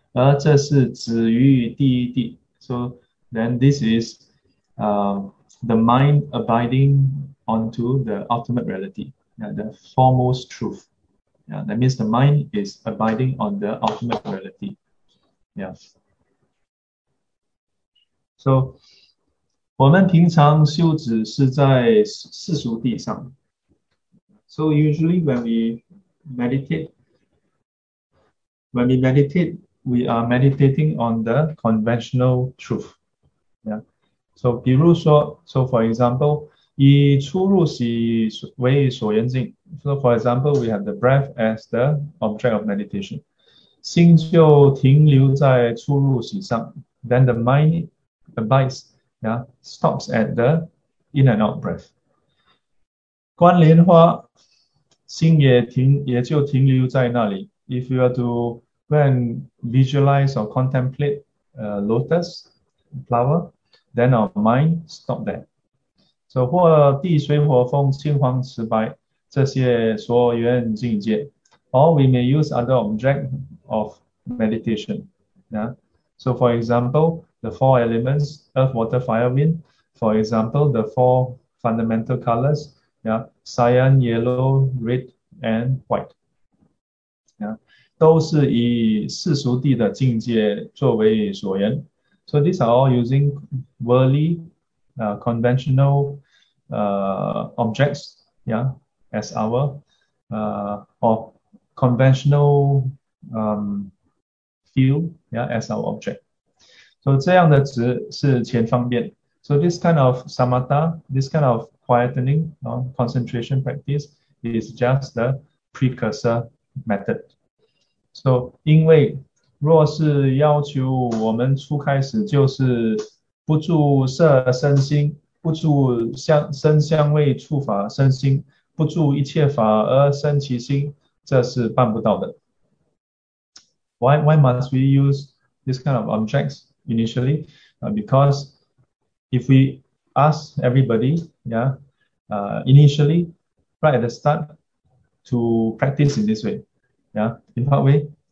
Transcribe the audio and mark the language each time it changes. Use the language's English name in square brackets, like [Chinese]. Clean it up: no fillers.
[Chinese] 而这是止于第一地. [English] So then this is the mind abiding onto the ultimate reality, yeah, the foremost truth. Yeah, that means the mind is abiding on the ultimate reality. Yeah. [Chinese] So 我们平常修止是在世俗地上. [English] So usually when we meditate, we are meditating on the conventional truth. Yeah. [Chinese] So 比如说, so for example, 以出入息为所缘境. [English] So for example, we have the breath as the object of meditation. [Chinese] 心就停留在出入息上. Then the mind abides. [English] Yeah, stops at the in and out breath. [Chinese] 观莲花, 心也就停留在那里. [English] If you are to go and visualize or contemplate a lotus flower, then our mind stops there. So, 或地水火风青黄瓷白这些所缘境界, or we may use other object of meditation. Yeah. So, for example, the four elements, earth, water, fire, wind. For example, the four fundamental colors, yeah, cyan, yellow, red, and white. [Chinese] Yeah, 都是以世俗地的境界作为所缘. [English] So these are all using worldly, conventional objects, yeah, as our or conventional field, yeah, as our object. [Chinese] So 这样的指是前方便. [English] So this kind of samatha, this kind of quietening, concentration practice is just the precursor method. [Chinese] So 因为若是要求我们初开始就是不住色身心，不住香身香味触法身心，不住一切法而生其心，这是办不到的. [English] Why must we use this kind of objects initially? Because if we ask everybody, yeah, initially, right at the start, to practice in this way, yeah, in what way?